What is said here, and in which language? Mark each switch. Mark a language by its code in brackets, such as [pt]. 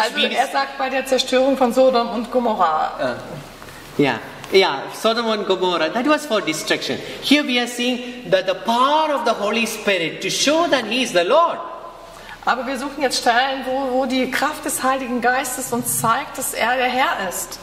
[de] also, er sagt bei der Zerstörung von Sodom und Gomorrah. [en] Yeah, Sodom and Gomorrah. That was for destruction. Here we are seeing that the power of the Holy Spirit to show that He is the Lord. [de] Aber wir suchen jetzt Stellen, wo die Kraft des Heiligen Geistes uns zeigt, dass er der Herr ist.